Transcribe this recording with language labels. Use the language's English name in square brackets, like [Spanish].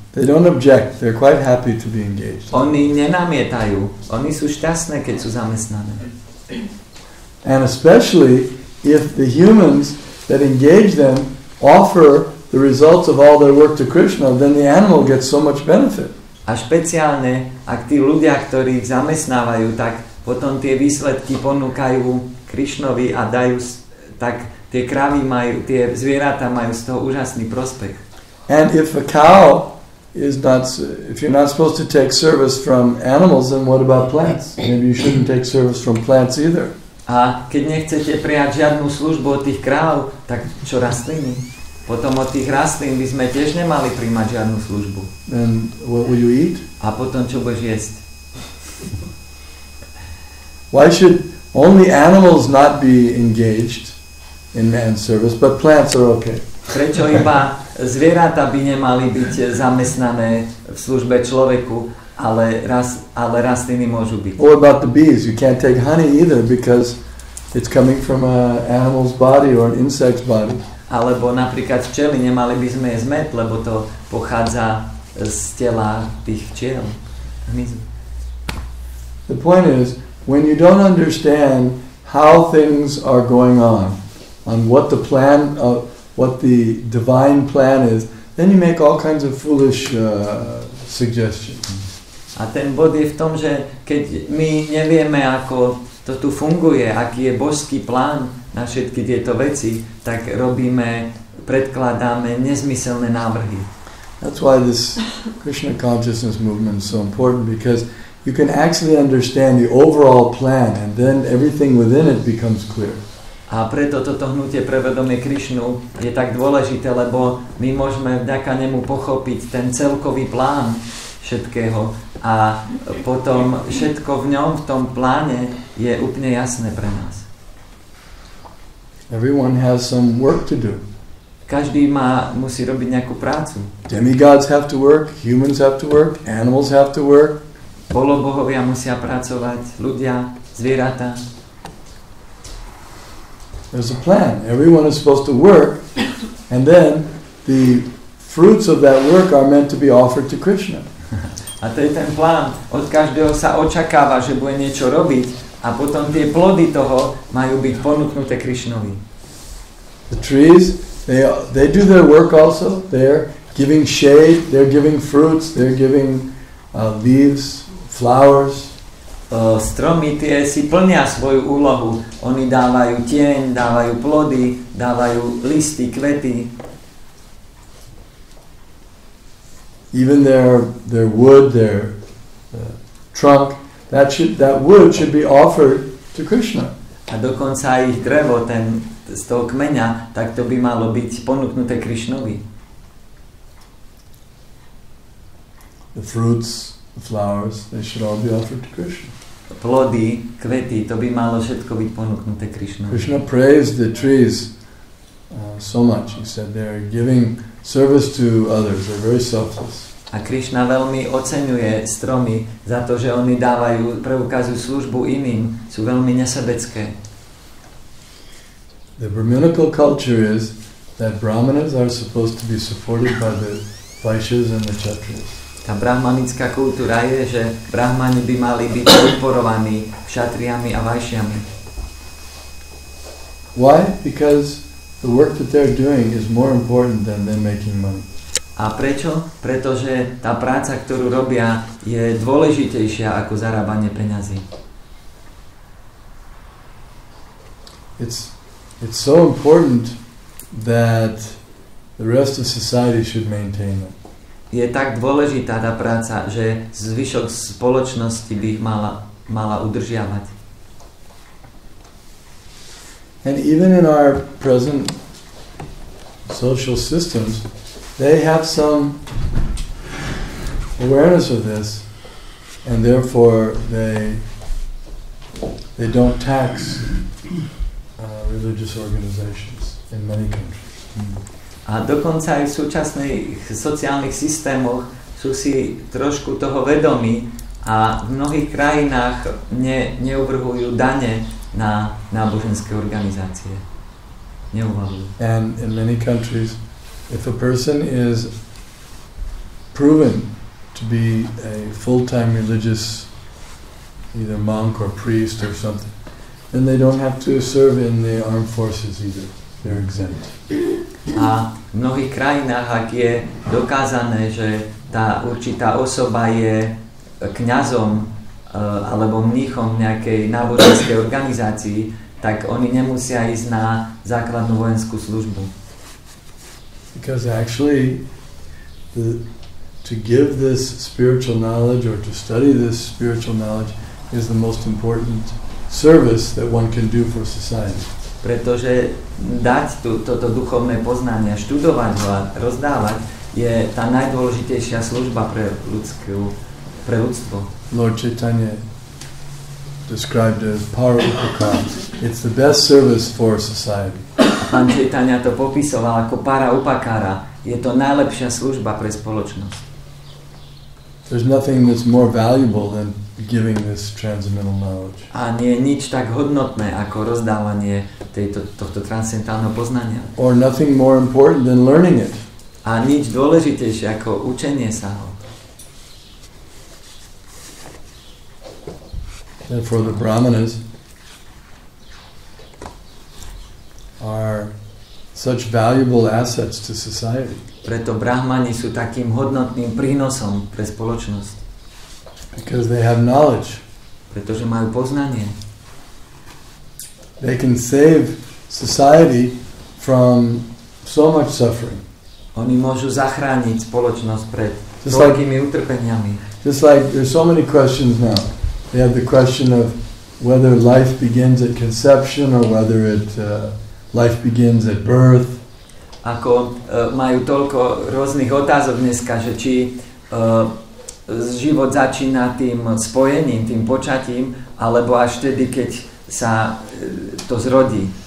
[English] They don't object. They're quite happy to be engaged. [Slovak] Oni nenamietajú. Oni sú šťastné, keď sú zamestnané. [English] And especially if the humans that engage them offer the results of all their work to Krishna, then the animal gets so much benefit. [Slovak] A špeciálne, ak tí ľudia, ktorí ich zamestnávajú, tak potom tie výsledky ponúkajú Krishnovi a dajú, tak tie krávy majú, tie zvieratá majú z toho úžasný prospech. [English] And if a cow is not, if you're not supposed to take service from animals, then what about plants? Maybe you shouldn't take service from plants either. [Slovak] A keď nechcete prijať žiadnu službu od tých kráv, tak čo rastliny? Potom od tých rastlín by sme tiež nemali prijímať žiadnu službu. [English] And what will you eat? [Slovak] A potom čo budeš jesť? [English] Why should only animals not be engaged in man's service, but plants are okay? [Slovak] Prečo iba zvieratá by nemali byť zamestnané v službe človeku, ale rastliny môžu byť? [English] What about the bees? You can't take honey either because it's coming from an animal's body or an insect's body. [Slovak] Alebo napríklad včely, nemali by sme jesť med, lebo to pochádza z tela tých včiel. [English] The point is, when you don't understand how things are going on what the plan of what the divine plan is, then you make all kinds of foolish suggestions. [Slovak] A ten bod je v tom, že keď my nevieme, ako to tu funguje, aký je božský plán na všetky tieto veci, tak robíme, predkladáme nezmyselné návrhy. [English] That's why this Krishna consciousness movement is so important, because you can actually understand the overall plan and then everything within it becomes clear. [Slovak] A preto toto hnutie pre vedomie Krišnu je tak dôležité, lebo my môžeme vďaka nemu pochopiť ten celkový plán všetkého a potom všetko v ňom, v tom pláne je úplne jasné pre nás. [English] Everyone has some work to do. [Slovak] Každý má, musí robiť nejakú prácu. [English] Demigods have to work, humans have to work, animals have to work. [Slovak] Polobohovia musia pracovať, ľudia, zvieratá. [English] There's a plan. Everyone is supposed to work, and then the fruits of that work are meant to be offered to Krishna. [Slovak] A to je ten plán. Od každého sa očakáva, že bude niečo robiť, a potom tie plody toho majú byť ponúknuté Krišnovi. [English] The trees, they do their work also. They're giving shade, they're giving fruits, they're giving leaves, flowers. [Slovak] Stromy tie si plnia svoju úlohu. Oni dávajú tieň, dávajú plody, dávajú listy, kvety. [English] Even their wood, their trunk, that wood should be offered to Krishna. [Slovak] A dokonca aj ich drevo, ten z toho kmeňa, tak to by malo byť ponúknuté Krišnovi. [English] The fruits, the flowers, they should all be offered to Krishna. [Slovak] Plody, kvety, to by malo všetko byť ponúknuté Krišnovi. [English] Krishna praised the trees so much. He said they are giving service to others. They're very selfless. [Slovak] A Krishna veľmi oceňuje stromy za to, že oni dávajú, preukazujú službu iným. Sú veľmi nesebecké. [English] The Brahminical culture is that Brahmanas are supposed to be supported by the Vaishyas and the Kshatriyas. [Slovak] Tá brahmanická kultúra je, že brahmani by mali byť podporovaní kšatriami a vajšiami. [English] Why? Because the work that they're doing is more important than them making money. [Slovak] A prečo? Pretože tá práca, ktorú robia, je dôležitejšia ako zarábanie peňazí. [English] It's so important that the rest of society should maintain it. [Slovak] Je tak dôležitá tá práca, že zvyšok spoločnosti by ich mala udržiavať. [English] And even in our present social systems, they have some awareness of this, and therefore they don't tax religious organizations in many countries. [Slovak] A dokonca aj v súčasných sociálnych systémoch sú si trošku toho vedomí a v mnohých krajinách neuvrhujú dane na náboženské organizácie. Neuvalujú. [English] And in many countries, if a person is proven to be a full-time religious either monk or priest or something, then they don't have to serve in the armed forces either. They're exempt. [Slovak] A v mnohých krajinách, ak je dokázané, že tá určitá osoba je kňazom alebo mníchom nejakej náboženskej organizácii, tak oni nemusia ísť na základnú vojenskú službu. [English] Because actually the to give this spiritual knowledge or to study this spiritual knowledge is the most important service that one can do for society. [Slovak] Pretože dať toto duchovné poznanie, študovať ho a rozdávať je tá najdôležitejšia služba pre ľudstvo. [English] Lord Chaitanya described as para upakara. It's the best service for society. [Slovak] A pán Chaitanya to popisoval ako para upakara. Je to najlepšia služba pre spoločnosť. [English] There's nothing that's more valuable than giving this transcendental knowledge. [Slovak] A nie je nič tak hodnotné ako rozdávanie tohto transcendentálneho poznania. [English] Or nothing more important than learning it. [Slovak] A nič dôležitejšie ako učenie sa ho. [English] Therefore the brahmanas are such valuable assets to society. [Slovak] Preto brahmani sú takým hodnotným prínosom pre spoločnosť. [English] Because they have knowledge. [Slovak] Pretože majú poznanie. [English] They can save society from so much suffering. [Slovak] Oni môžu zachrániť spoločnosť pred toľkými utrpeniami. [English] Just like there's so many questions now. They have the question of whether life begins at conception or whether life begins at birth. [Slovak] Ako majú toľko rôznych otázok dneska, že či život začína tým spojením, tým počatím, alebo až tedy, keď sa to zrodí.